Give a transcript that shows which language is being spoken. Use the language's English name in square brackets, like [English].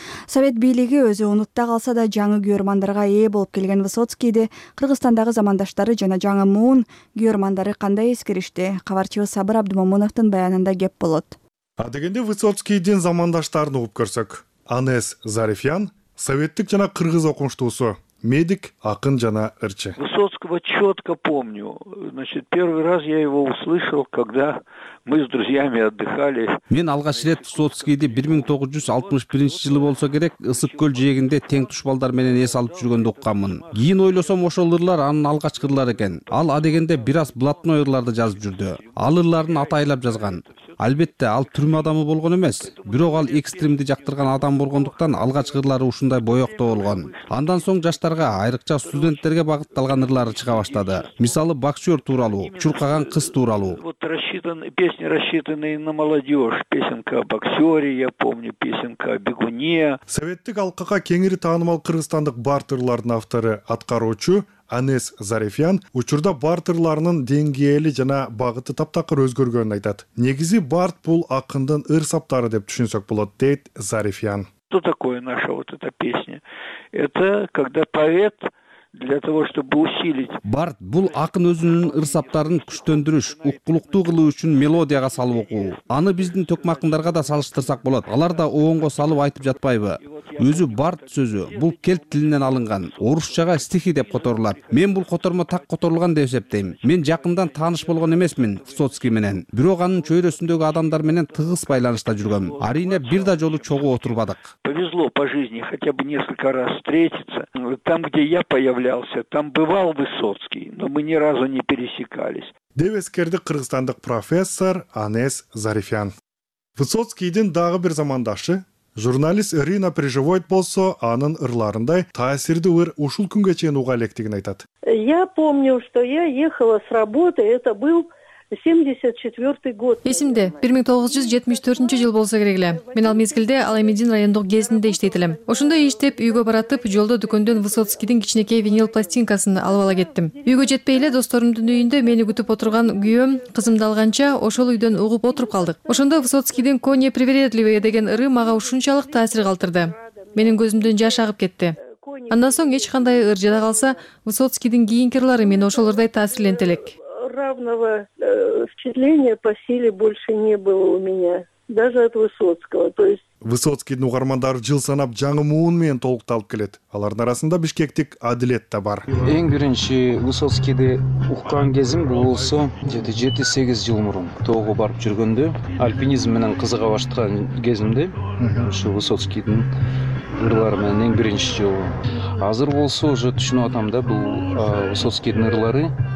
[Kyrgyz] Совет бийлиги өзү унутта калса да жаңы күйөрмандарга ээ болуп келген Высоцкийди Кыргызстандагы замандаштары жана жаңы муун күйөрмандары кандай эскеришти? Кабарчыбыз Сабыр Абдымомуновдун баянында кеп болот. Адегенде Высоцкийдин замандаштарын угуп көрсөк. Анес Зарифян советтик жана кыргыз окумуштуусу, медик, акын жана ырчы. [Russian] Высоцкого четко помню. Значит, первый раз я его услышал, когда мы с друзьями отдыхали. [Kyrgyz] Мен алгач ирет Высоцкийди 1961 жылы болсо керек Ысык Көл жээгинде тең тушбалдар менен эс алып жүргөндү уккаммын. Кийин ойлосом ошол ырлар анын алгачкы ырлары экен. Ал адегенде бир аз блатной ырларды жазып жүрдү. Ал ырларын атайлап жазган. Албетте ал түрмө адамы болгон эмес, бирок ал экстримди жактырган адам болгондуктан алгачкы ырлары ушундай боектоо болгон. Андан соң жаштарга, айрыкча студенттерге багытталган ырлары чыга баштады. Мисалы, боксер тууралуу, чуркаган кыз тууралуу. [Russian] Вот рассчитаны песни, рассчитанные на молодежь. Песенка о боксере, я помню, песенка о бегуне. [Kyrgyz] Советтик алкага кеңири таанымал кыргызстандык бард ырлардын автору, аткаруучу Анес Зарифян учурда бард ырларынын деңгээли жана багыты таптакыр өзгөргөнүн айтат. Негизи бард бул акындын ыр саптары деп түшүнсөк болот, дейт Зарифян. [Russian] Что такое наша вот эта песня? Это когда поэт для того, чтобы усилить. [Kyrgyz] Бард бул акын өзүнүн ыр саптарын күчтөндүрүш, уккулуктуу кылуу үчүн мелодияга салып окуу. Аны биздин төк макындарга да салыштырсак болот. Алар да оонго салып айтып жатпайбы? Өзү бард сөзү бул келт тилинен алынган. Орусчага стихи деп которулат. Мен бул котормо так которулган деп эсептейм. Мен жакындан тааныш болгон эмесмин Высоцкий менен. Бирок анын чөйрөсүндөгү адамдар менен тыгыз байланышта жүргөм. Арине бир да жолу чогуу отурбадык. [Russian] Повезло по жизни хотя бы несколько раз встретиться. Там, где я появлялся, там бывал Высоцкий, но мы ни разу не пересекались. [Kyrgyz] Деп эскерди кыргызстандык профессор Анес Зарифян. Высоцкийдин дагы бир замандашы журналист Ирина Переживойт болсо, анын ырларындай таасирдүү ыр ушул күнгө чейин уга электигин айтат. [Russian] Я помню, что я ехала с работы, это был 74-й год. [Kyrgyz] Эсимде, 1974 жыл болсо керек эле. Мен ал мезгилде Аламидин райондук гезинде иштейт элем. Ошондой иштеп, үйгө баратып, жолдо дүкөндөн Высоцкийдин кичинекей винил пластинкасын алып ала кеттим. Үйгө жетпей эле досторумдун үйүндө мени күтүп отурган күйөөм кызымды алганча ошол үйдөн угуп отуруп калдык. Ошондо Высоцкийдин «Конь непривередливый» деген ыры мага ушунчалык таасир калтырды. Менин көзүмдөн жаш агып кетти. Андан соң эч кандай ыр жада калса, Высоцкийдин кийинки ырлары мени ошол ырдай таасирлент элек. [Russian] Равного впечатления по силе больше не было у меня, даже от Высоцкого. То есть [Kyrgyz] Высоцкийдин угармандары жыл санап жаңы муун менен толукталып келет. Алардын арасында бишкектик Адилет да бар. Эң биринчи Высоцкийди уккан кезим бул болсо 7-8 жыл мурун тоого барып жүргөндө альпинизм менен кызыга баштаган кезимде ушу Высоцкийдин ырлары менен эң биринчи жолу. Азыр болсо уже түшүнүп атам да бул Высоцкийдин ырлары